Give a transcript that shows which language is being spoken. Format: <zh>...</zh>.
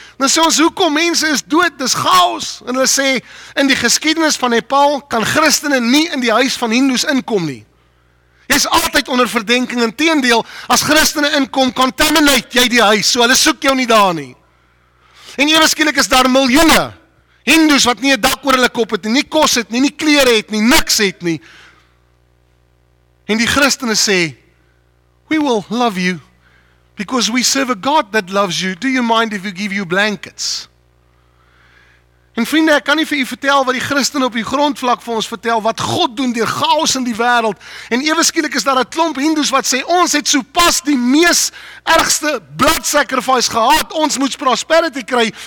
<af>Dan sê ons, hoekom mense is dood, dis chaos. En hulle sê, in die geskiedenis van Nepal, kan Christene nie in die huis van Hindoes inkom nie. Jy is altyd onder verdenking, en teendeel, as Christene inkom, contaminate jy die huis, so hulle soek jou nie daar nie. En ewe skielik is daar miljoene Hindoes, wat nie 'n dak oor hulle kop het, nie kos het, nie klere het, nie niks het nie. En die Christene sê,</af> <en>we will love you, because we serve a God that loves you. Do you mind if we give you blankets?</en> <af>En vriende, ek kan nie vir u vertel wat die Christen op die grondvlak vir ons vertel, wat God doen deur chaos in die wêreld. En ewe skielik is daar 'n klomp Hindoes wat sê, ons het so pas die mees ergste blood sacrifice gehad, ons moet prosperity kry.</af>